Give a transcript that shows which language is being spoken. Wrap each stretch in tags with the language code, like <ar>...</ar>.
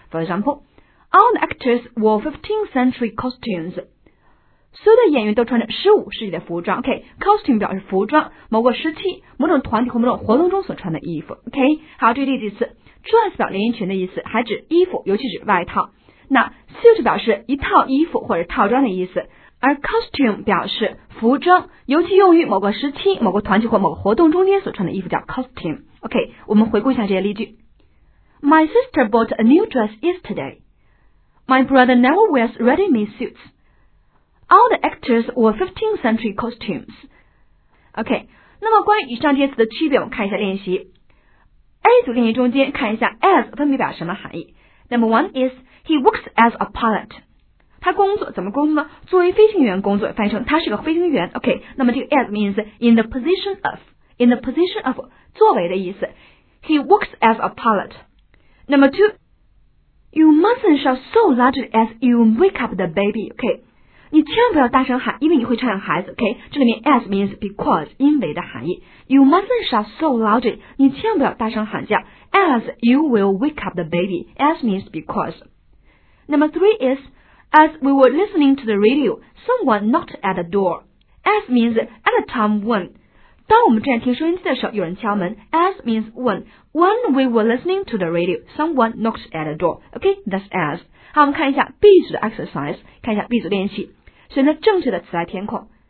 <en>For example, all the actors wore 15th century costumes.</en> <zh>所有的演员都穿着15世纪的服装。OK, costume 表示服装，某个时期、某种团体或某种活动中所穿的衣服。 OK, 好，这第几次。Dress 表连衣裙的意思，还指衣服，尤其指外套。那 suit 表示一套衣服或者套装的意思，而 costume 表示服装，尤其用于某个时期、某个团体或某个活动中间所穿的衣服叫 costume。</zh> <en>OK，</en> <zh>我们回顾一下这些例句</zh> <en>：My sister bought a new dress yesterday. My brother never wears ready-made suits. All the actors wore 15th century costumes.</en> <zh>OK， 那么关于以上这些词的区别，我们看一下练习。 A 组练习中间看一下 as 分别表什么含义。</zh> <en>Number one is he works as a pilot.</en> <zh>他工作怎么工作呢？作为飞行员工作，翻译成他是个飞行员。 OK， 那么这个</zh> <en>as means in the position of</en> <zh>作为的意思。</zh> <en>He works as a pilot. Number two, you mustn't shout so loudly as you wake up the baby.</en> <zh>OK， 你千万不要大声喊，因为你会吵醒孩子。</zh> <en>OK，</en> <zh>这里面</zh> <en>as means because</en> <zh>因为的含义。</zh> <en>You mustn't shout so loudly.</en> <zh>你千万不要大声喊叫。</zh> <en>As you will wake up the baby. As means because. Number three is, as we were listening to the radio, someone knocked at the door. As means at the time when.</en> <zh>当我们正在听收音机的时候，有人敲门。</zh> <en>As means when. When we were listening to the radio, someone knocked at the door. Okay, that's as.</en> <zh>好，我们看一下 B 组的</zh> <en>exercise.</en> <zh>看一下 B 组练习，选择正确的词来填空。</zh>